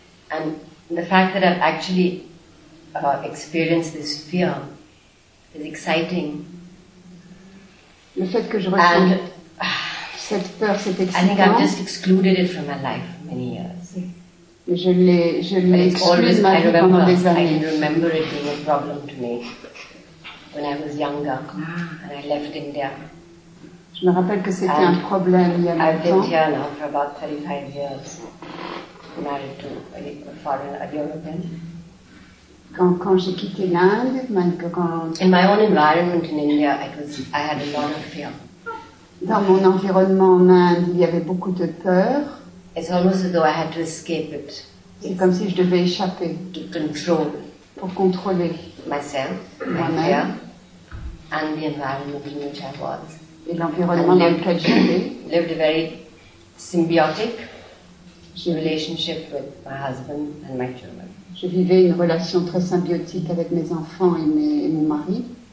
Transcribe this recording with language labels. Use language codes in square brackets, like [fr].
[en] And the fact that I've actually experienced this fear is exciting. [fr] Le fait que je ressens cette peur, cet excitement. [en] I think I've just excluded it from my life for many years. [fr] Je l'ai excluded [en] always, [fr] ma vie pendant des années. [en] I remember it being a problem to me. When I was younger, and I left India. [fr] Je me rappelle que c'était un problème il y a longtemps. [en] I've been here now for about 35 years, married to a foreign, a European. [fr] Quand j'ai quitté l'Inde, [en] In my own environment in India, I had a lot of fear. [fr] Dans mon environnement en Inde, il y avait beaucoup de peur. [en] It's almost as though I had to escape it. [fr] C'est comme si je devais échapper. [en] To control. [fr] Pour contrôler. [en] Myself, [fr] moi-même, [en] my fear, and the environment in which I was. [fr] Et l'environnement dans lequel j'étais. [en] Lived a very symbiotic relationship with my husband and my children. [fr] Je vivais une relation très symbiotique avec mes enfants et mon mari.